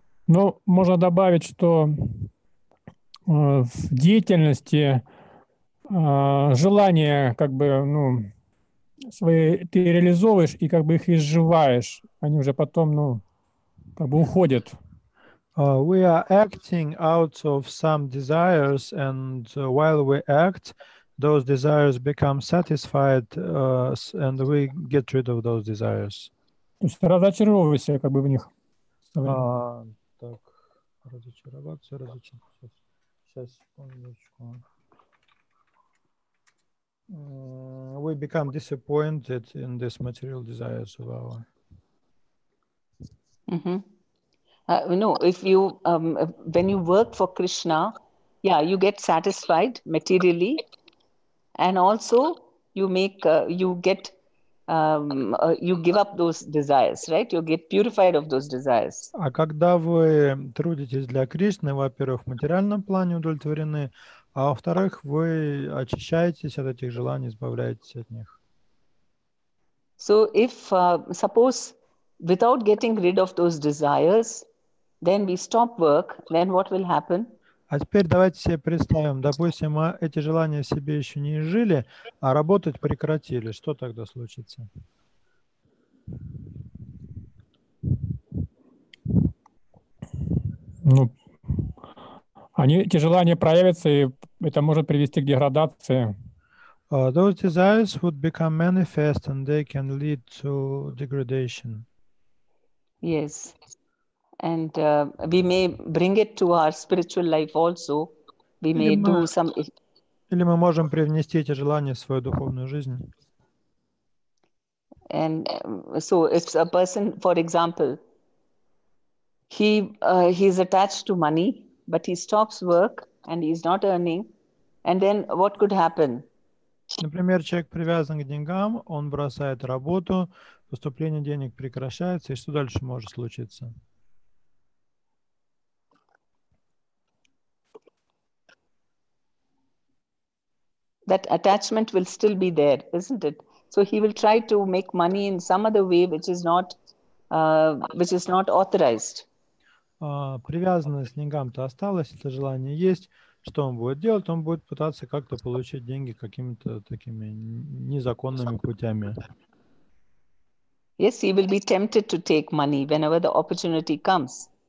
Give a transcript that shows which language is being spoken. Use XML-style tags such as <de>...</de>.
<ru>Ну, можно добавить, что в деятельности желания, как бы, ну, свои ты реализовываешь и как бы их изживаешь, они уже потом, ну, как бы уходят.</ru> <en>We are acting out of some desires, and while we act, those desires become satisfied, and we get rid of those desires.</en> <ru>То есть разочаровываешься как бы в них. Так, разочароваться. Сейчас, секундочку.</ru> <en>We become disappointed in this material desires of our. Mm-hmm. No, if you when you work for Krishna, yeah, you get satisfied materially, and also you make you get you give up those desires, right? You get purified of those desires.</en> <ru>А когда вы трудитесь для Кришны, во-первых, в материальном плане удовлетворены, а во-вторых, вы очищаетесь от этих желаний, избавляетесь от них.</ru> <en>So if, suppose, without getting rid of those desires, then we stop work, then what will happen?</en> <ru>А теперь давайте себе представим, допустим, мы эти желания в себе еще не изжили, а работать прекратили. Что тогда случится? Ну, они, эти желания проявятся, и это может привести к деградации.</ru> <en>Those desires would become manifest and they can lead to degradation. Yes. And we may bring it to our spiritual life also. We may do some...</en> <ru>Или мы можем привнести эти желания в свою духовную жизнь.</ru> <en>And so if a person, for example, he is attached to money, but he stops work and he's not earning, and then what could happen?</en> <ru>Например, человек привязан к деньгам, он бросает работу, поступление денег прекращается, и что дальше может случиться?</ru> <en>That attachment will still be there, isn't it? So he will try to make money in some other way, which is not authorized.</en> <ru>Привязанность к деньгам-то осталась, это желание есть. Что он будет делать? Он будет пытаться как-то получить деньги какими-то такими незаконными путями.</ru> <en>Yes, he will be tempted to take money whenever the opportunity comes.</en>